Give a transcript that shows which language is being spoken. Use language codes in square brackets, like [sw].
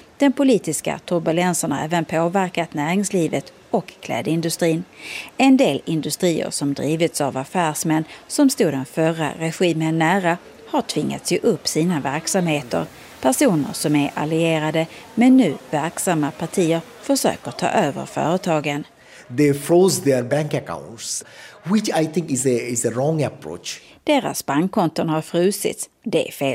[sv] Den politiska turbulensen har även påverkat näringslivet och klädindustrin. En del industrier som drivits av affärsmän som stod den förra regimen nära har tvingats ge upp sina verksamheter. Personer som är allierade men nu verksamma partier försöker ta över företagen. [en] They froze their bank accounts, which I think is a wrong approach. [sv] Deras bankkonton har frusits. Det är fel